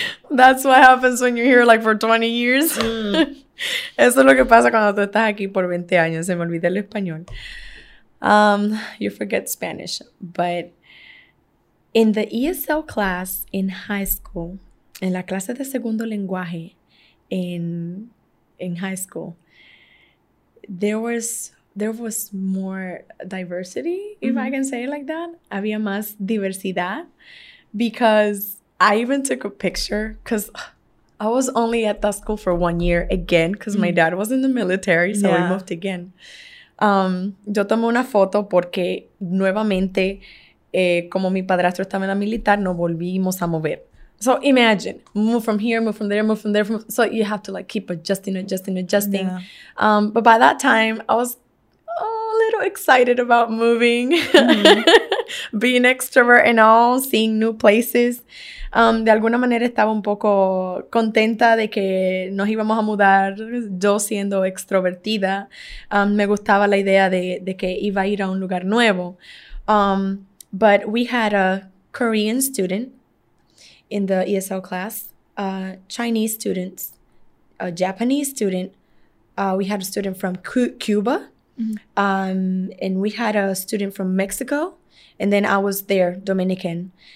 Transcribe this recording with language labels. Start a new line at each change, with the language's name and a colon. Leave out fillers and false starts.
English: That's what happens when you're here like for 20 years. Mm.
Spanish: Eso es lo que pasa cuando tú estás aquí por 20 años. Se me olvida el español.
English: You forget Spanish, but in the ESL class in high school,
Spanish: en la clase de segundo lenguaje
English: in high school, there was more diversity, if mm-hmm. I can say it like that.
Spanish: Había más diversidad,
English: because I even took a picture, because I was only at that school for 1 year again, because mm-hmm. my dad was in the military, so yeah. we moved again.
Spanish: Yo tomé una foto porque nuevamente, como mi padrastro estaba en la militar, nos volvimos a mover.
English: So imagine, move from here, move from there, move from there. So you have to like keep adjusting. Yeah. But by that time, I was a little excited about moving, mm-hmm. being extrovert and all, seeing new places.
Spanish: De alguna manera estaba un poco contenta de que nos íbamos a mudar, yo siendo extrovertida. Me gustaba la idea de que iba a ir a un lugar nuevo.
English: But we had a Korean student in the ESL class, Chinese students, a Japanese student. We had a student from Cuba, mm-hmm. And we had a student from Mexico, and then I was there, Dominican.